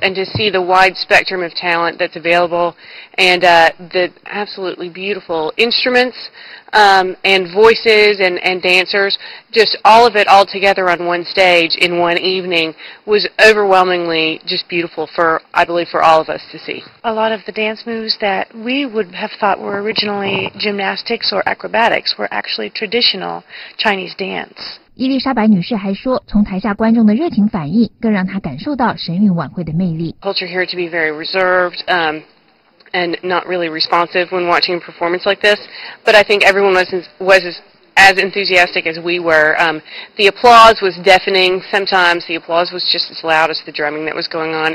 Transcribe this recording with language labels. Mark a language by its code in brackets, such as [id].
[en] And to see the wide spectrum of talent that's available and, the absolutely beautiful instruments,and voices and dancers, just all of it all together on one stage in one evening was overwhelmingly just beautiful for, I believe, for all of us to see. A lot of the dance moves that we would have thought were originally gymnastics or acrobatics were actually traditional Chinese dance. [zh] 伊丽莎白女士还说，从台下观众的热情反应更让她感受到神韵晚会的魅力。 [en] Culture here to be very reserved, and not really responsive when watching a performance like this, but I think everyone was as enthusiastic as we were. The applause was deafening. Sometimes the applause was just as loud as the drumming that was going on.